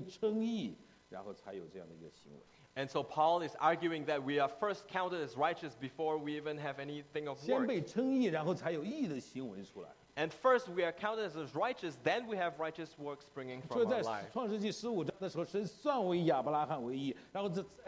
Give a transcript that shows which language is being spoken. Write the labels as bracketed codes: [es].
[zh] 所以我们保罗在这里就保罗在那阿哥就是说，我们是先有这个，先被称义，然后才有这样的一个行为。 [en] And so Paul is arguing that we are first counted as righteous before we even have anything of work. [zh] 先被称义，然后才有义的行为出来。 [en] And first we are counted as righteous, then we have righteous works springing from our life. [zh] 所以在创世纪15章的时候，神算为亚伯拉罕为义，然后这。